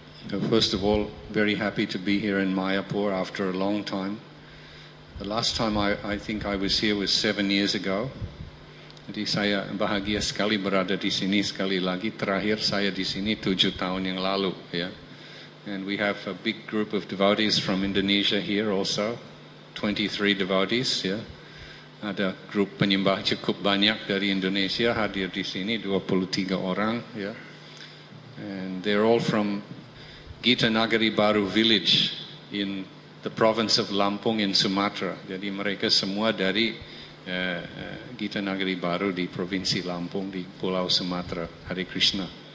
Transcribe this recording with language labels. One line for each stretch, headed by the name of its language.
English: So first of all, very happy to be here in Mayapur after a long time. The last time I think I was here was 7 years ago.
Indonesian: Jadi saya bahagia sekali berada di sini sekali lagi. Terakhir saya di sini 7 tahun yang lalu. Yeah.
English: And we have a big group of devotees from Indonesia here also. 23 devotees. Yeah.
Indonesian: Ada grup penyembah cukup banyak dari Indonesia hadir di sini. 23 orang. Yeah.
English: And they're all from Gita Nagari Baru village in the province of Lampung in Sumatra.
Indonesian: Jadi mereka semua dari Gita Nagari Baru di Provinsi Lampung di Pulau Sumatra. Hare Krishna.